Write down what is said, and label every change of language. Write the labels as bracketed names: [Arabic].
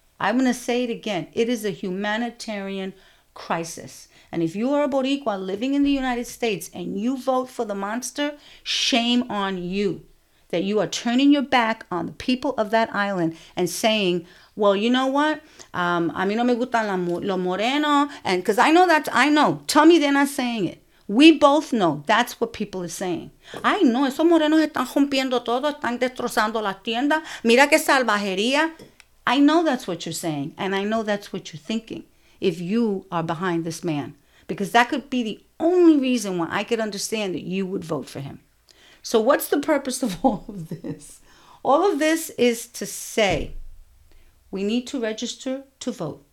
[English] I'm going to say it again. It is a humanitarian crisis. And if you are a Boricua living in the United States and you vote for the monster, shame on you. That you are turning your back on the people of that island and saying, well, you know what? [Spanish] A mí no me gustan los morenos. [English] And because I know that, I know. Tell me they're not saying it. We both know that's what people are saying. [Spanish] Ay, no, esos morenos están rompiendo todo, están destrozando las tiendas. Mira qué salvajería. [English] I know that's what you're saying. And I know that's what you're thinking if you are behind this man. Because that could be the only reason why I could understand that you would vote for him. So what's the purpose of all of this? All of this is to say we need to register to vote.